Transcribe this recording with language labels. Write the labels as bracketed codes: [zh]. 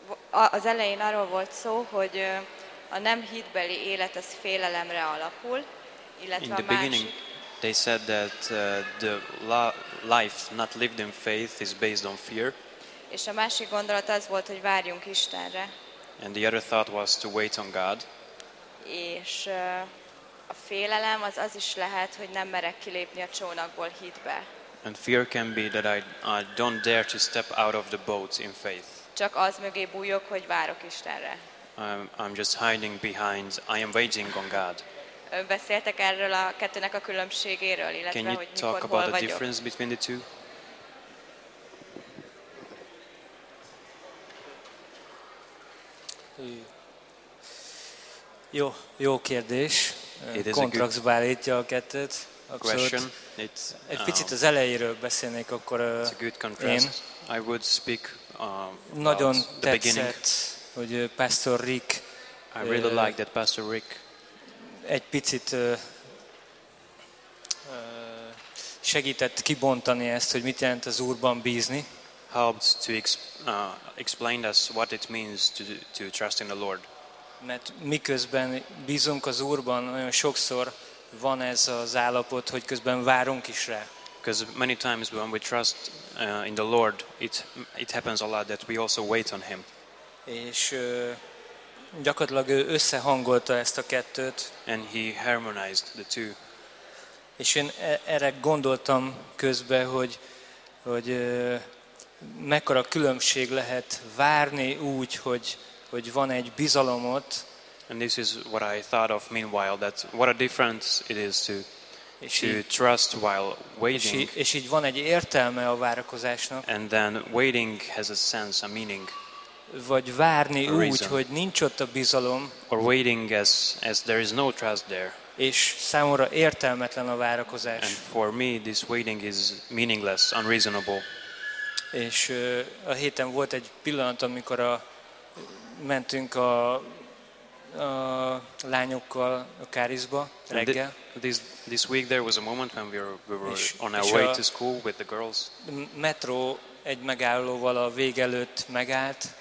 [hu] Az elején arról volt szó, hogy a nem hitbeli élet az félelemre alapul, illetve [en] in the beginning they said that the life not lived in faith is based on fear. [hu] És a másik gondolat az volt, hogy várjunk Istenre. [en] And the other thought was to wait on God. [hu] És a félelem az is lehet, hogy nem merek kilépni a csónakból hitbe. [en] And fear can be that I don't dare to step out of the boat in faith. [hu] Csak az mögé bújok, hogy várok Istenre. [en] I'm just hiding behind. I am waiting on God. [hu] Beszéltek erről a kettőnek a különbségéről, illetve hogy mikor, hol vagyok. [en] Can you talk about the difference between the two? [hu] Jó kérdés. Kontraszt állítja a kettőt. Abszolút. Egy picit az elejéről beszélnék, akkor [en] it's a good contrast. I would speak [hu] nagyon [en] the [hu] tetszett, [en] beginning. [hu] Hogy Pastor Rick. [en] I really like that Pastor Rick. [hu] Egy picit segített kibontani ezt, hogy mit jelent az Úrban bízni. [en] Helped to explain us what it means to trust in the Lord. [hu] Mert miközben bízunk az Úrban, olyan sokszor van ez az állapot, hogy közben várunk is rá. [en] Because many times when we trust in the Lord, it happens a lot that we also wait on Him. [hu] És gyakorlatilag ő összehangolta ezt a kettőt. [en] And He harmonized the two. [hu] És én erre gondoltam közben, hogy mekkora különbség lehet várni úgy, hogy van egy bizalomot. [en] And this is what I thought of meanwhile, that what a difference it is to trust while waiting. [hu] És így van egy értelme a várakozásnak. [en] And then waiting has a sense, a meaning. [hu] Vagy várni úgy, hogy nincs ott a bizalom. [en] Or waiting as there is no trust there. [hu] És számomra értelmetlen a várakozás. [en] And for me this waiting is meaningless, unreasonable. [hu] És a héten volt egy pillanat, amikor mentünk a lányokkal a Kárizba reggel. [en] This week there was a moment when we were on our way to school with the girls. [hu] Metró egy megállóval a vég előtt megállt.